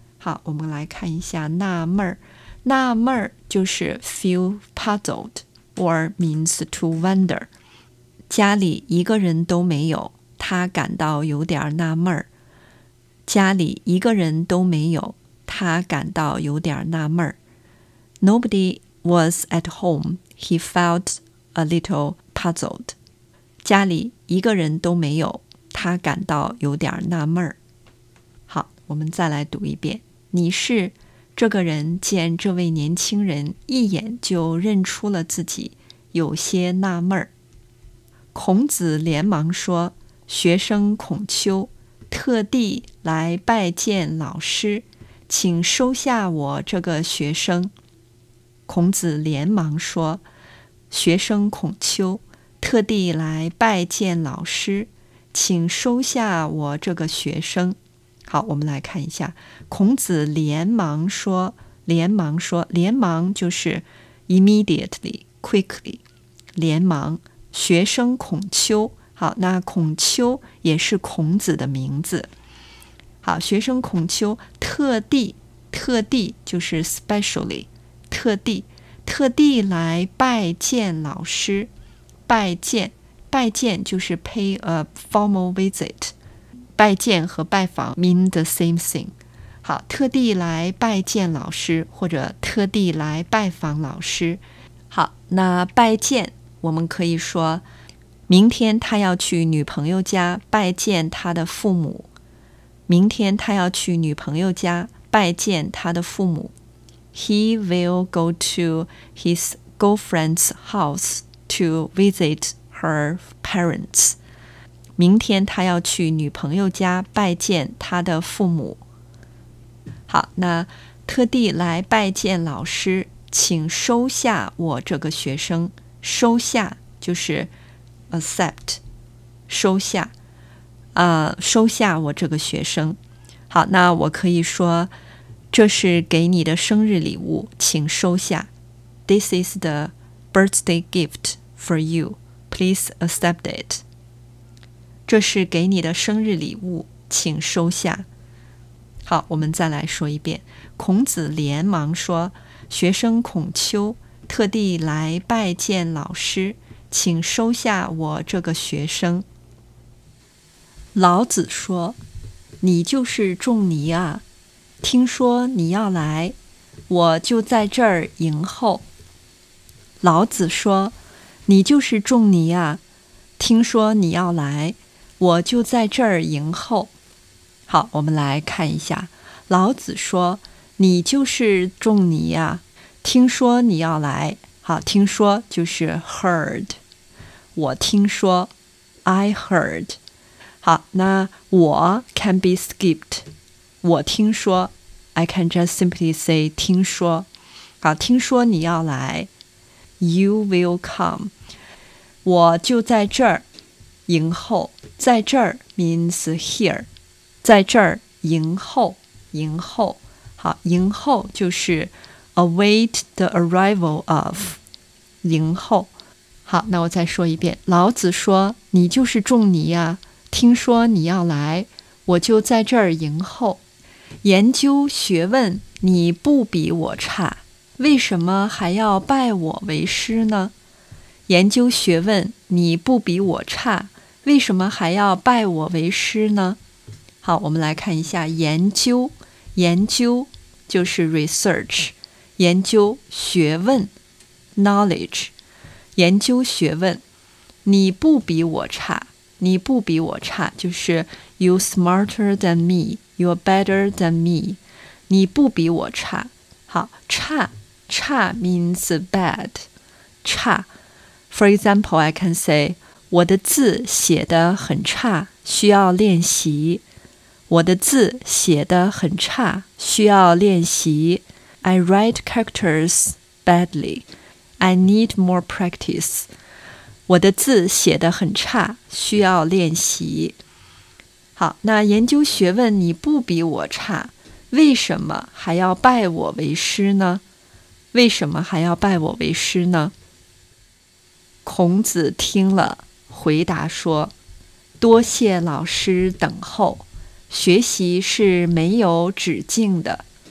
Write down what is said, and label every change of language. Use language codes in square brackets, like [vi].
[zh] 好，我们来看一下纳闷，纳闷就是 [en] feel puzzled or means to wonder。 [zh] 家里一个人都没有，他感到有点纳闷。家里一个人都没有，他感到有点纳闷。 [en] Nobody was at home, he felt a little puzzled. [zh] 家里一个人都没有，他感到有点纳闷。好，我们再来读一遍。你是？这个人见这位年轻人一眼就认出了自己，有些纳闷。孔子连忙说，学生孔丘特地来拜见老师，请收下我这个学生。孔子连忙说，学生孔丘特地来拜见老师，请收下我这个学生。好，我们来看一下，孔子连忙说，连忙说，连忙就是 [en] immediately, quickly, [zh] 连忙。学生孔丘，好，那孔丘也是孔子的名字。好，学生孔丘特地，特地就是 specially， 特地，特地来拜见老师。拜见，拜见就是 [en] pay a formal visit， [zh] 拜见和拜访 [en] mean the same thing。 [zh] 好，特地来拜见老师，或者特地来拜访老师。好，那拜见我们可以说，明天他要去女朋友家拜见他的父母。明天他要去女朋友家拜见他的父母。 [en] He will go to his girlfriend's house to visit her parents. [zh] 明天他要去女朋友家拜见他的父母。好，那特地来拜见老师，请收下我这个学生。收下就是 accept， 收下，收下我这个学生。好，那我可以说，这是给你的生日礼物，请收下。 [en] This is the birthday gift for you. Please accept it. [zh] 这是给你的生日礼物，请收下。好，我们再来说一遍。孔子连忙说，学生孔丘特地来拜见老师，请收下我这个学生。老子说，你就是仲尼啊，听说你要来，我就在这儿迎候。老子说，你就是仲尼啊，听说你要来，我就在这儿迎候。好，我们来看一下。老子说，你就是仲尼啊，听说你要来。好，听说就是 heard， 我听说， [en] I heard。 [zh] 好，那我 [en] can be skipped， [zh] 我听说， [en] I can just simply say 听说。 [zh] 好，听说你要来， [en] You will come， [zh] 我就在这儿迎候。在这儿 [en] means here， [zh] 在这儿迎候，迎候。好，迎候就是 [en] await the arrival of， [zh] 迎候。好，那我再说一遍。老子说，你就是仲尼啊，听说你要来，我就在这儿迎候。研究学问你不比我差，为什么还要拜我为师呢？研究学问你不比我差，为什么还要拜我为师呢？好，我们来看一下研究。研究就是 research， 研究学问 knowledge， 研究学问。你不比我差，你不比我差就是 [en] you smarter than me， you're better than me， [zh] 你不比我差。好，差 [en] means bad， [zh] 差。 [en] For example， I can say [zh] 我的字写得很差，需要练习。我的字写得很差，需要练习。 [en] I write characters badly. I need more practice. [zh] 我的字写得很差，需要练习。好，那研究学问你不比我差，为什么还要拜我为师呢？为什么还要拜我为师呢？孔子听了，回答说，多谢老师等候，学习是没有止境的。